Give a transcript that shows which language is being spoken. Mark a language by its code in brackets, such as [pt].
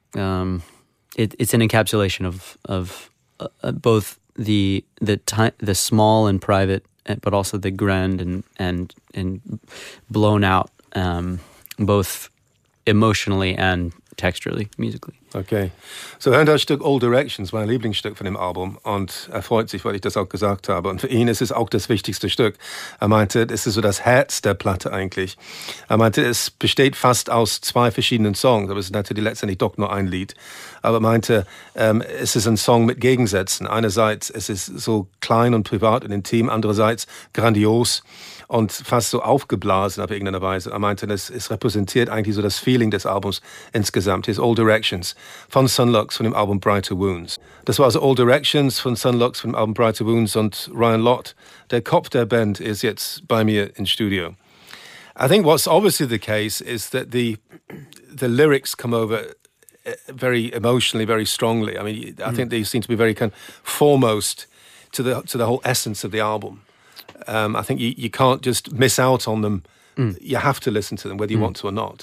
[en] It's an encapsulation of both the small and private, but also the grand and blown out, both emotionally and texturally, musically. Okay. [de] So hören das Stück All Directions, mein Lieblingsstück von dem Album, und er freut sich, weil ich das auch gesagt habe. Und für ihn ist es auch das wichtigste Stück. Er meinte, es ist so das Herz der Platte eigentlich. Er meinte, es besteht fast aus zwei verschiedenen Songs, aber es ist natürlich letztendlich doch nur ein Lied. Aber er meinte, es ist ein Song mit Gegensätzen. Einerseits es ist so klein und privat und intim, andererseits grandios und fast so aufgeblasen auf irgendeine Weise. Er meinte, es repräsentiert eigentlich so das Feeling des Albums insgesamt. His All Directions von Sun Lux von dem Album Brighter Wounds. Das war also All Directions von Sun Lux von dem Album Brighter Wounds, und Ryan Lott, der Kopf der Band, ist jetzt bei mir im Studio. [en] I think what's obviously the case is that the lyrics come over very emotionally, very strongly. I mean, I think they seem to be very kind of foremost to the whole essence of the album. I think you can't just miss out on them. You have to listen to them, whether you want to or not.